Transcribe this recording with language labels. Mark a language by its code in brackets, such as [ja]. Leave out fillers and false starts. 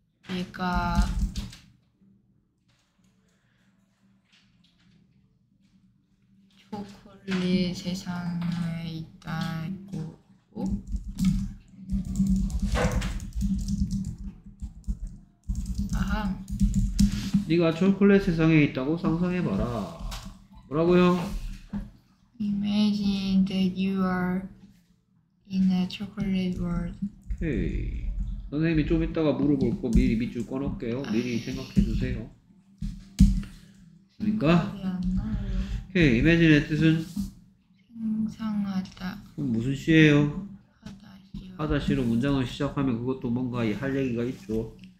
[ko] 얘가 초콜릿 세상에 있다고. 아하. 네가 초콜릿 세상에 있다고 상상해봐라. 뭐라고요? [en] Imagine that you are in a chocolate world. [ko] 오케이. 선생님이 좀 이따가 물어볼 거 미리 밑줄 꺼놓을게요. 미리 생각해 주세요. 그러니까. 오케이. Imagine의 뜻은 상상하다. 그럼 무슨 시예요? 하다시요. 하다시로 문장을 시작하면 그것도 뭔가 할 얘기가 있죠.